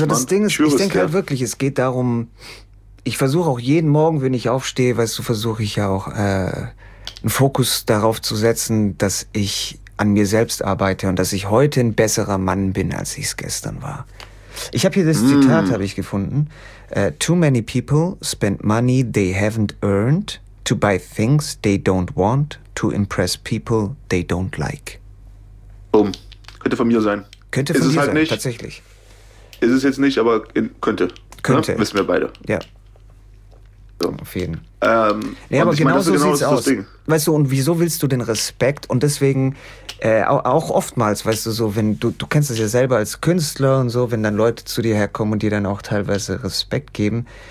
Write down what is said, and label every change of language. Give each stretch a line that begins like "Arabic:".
German: Also das Ding ist, ich denke halt wirklich, es geht darum, ich versuche auch jeden Morgen, wenn ich aufstehe, weißt du, versuche ich ja auch einen Fokus darauf zu setzen, dass ich an mir selbst arbeite und dass ich heute ein besserer Mann bin, als ich es gestern war. Ich habe hier das Zitat, habe ich gefunden.
English: Too many people spend money they haven't earned to buy things they don't want to impress people they don't like.
German: Boom. Könnte von mir sein. Könnte von dir halt sein, nicht. Tatsächlich. Ist es jetzt nicht, aber könnte. Könnte. Ja, wissen wir beide. Ja. So. Auf jeden. Nee, aber genau so sieht's aus. Weißt du, und wieso willst du den Respekt? Und deswegen auch oftmals, weißt du, so wenn du kennst es ja selber als Künstler und so, wenn dann Leute zu dir herkommen und dir dann auch teilweise Respekt geben.